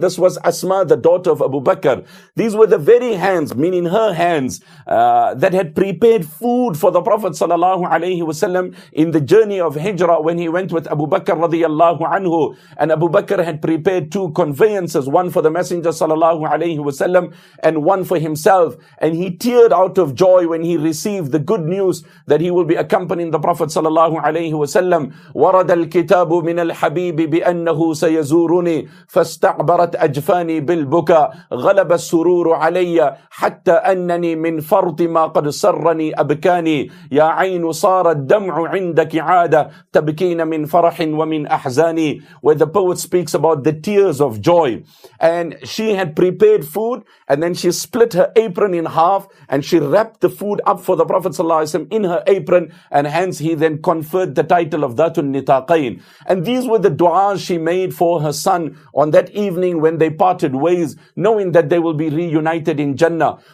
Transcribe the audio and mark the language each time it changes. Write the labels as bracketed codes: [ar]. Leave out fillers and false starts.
[en] This was Asma, the daughter of Abu Bakr. These were the very hands, meaning her hands, that had prepared food for the Prophet sallallahu alayhi wasallam in the journey of Hijrah, when he went with Abu Bakr radiallahu anhu. And Abu Bakr had prepared two conveyances, one for the Messenger sallallahu alayhi wasallam and one for himself. And he teared out of joy when he received the good news that he will be accompanying the Prophet sallallahu alayhi wasallam. [ar] ورد الكتاب من الحبيب بأنه سيزورني فاستعبرت أجفاني بالبكاء غلب السرور علي حتى أنني من فرط ما قد سرني أبكاني يا عين صار الدمع عندك عادة تبكين من فرح ومن أحزاني. [en] Where the poet speaks about the tears of joy, and she had prepared food, and then she split her apron in half and she wrapped the food up for the Prophet sallallahu in her apron, and hence he then conferred the title of Dhatun Nitaqain. And these were the du'as she made for her son on that evening when they parted ways, knowing that they will be reunited in Jannah.